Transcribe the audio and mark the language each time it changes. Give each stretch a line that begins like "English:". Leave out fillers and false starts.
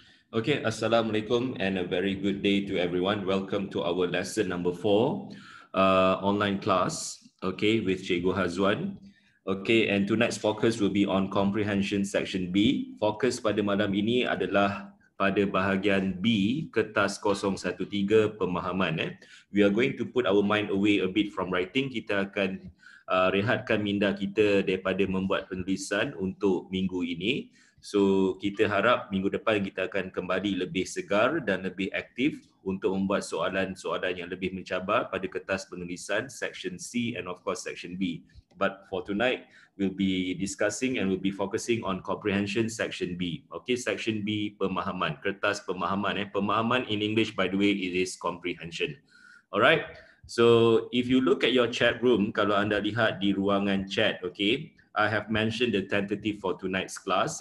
English: Okay, assalamualaikum and a very good day to everyone. Welcome to our lesson number 4 online class, okay, with Cikgu Hazwan. Okay, and tonight's focus will be on comprehension section B.
Malay: Fokus pada malam ini adalah pada bahagian B, kertas 013, pemahaman.
English: We are going to put our mind away a bit from writing.
Malay: Kita akan rehatkan minda kita daripada membuat penulisan untuk minggu ini. So kita harap minggu depan kita akan kembali lebih segar dan lebih aktif untuk membuat soalan-soalan yang lebih mencabar pada kertas penulisan
English: section C and of course section B. But for tonight, we'll be discussing and we'll be focusing on comprehension section B. Okay, section B, pemahaman.
Malay: Kertas pemahaman.
English: Pemahaman in English, by the way, it is comprehension. Alright, so if you look at your chat room,
Malay: kalau anda lihat di ruangan chat,
English: okay, I have mentioned the tentative for tonight's class.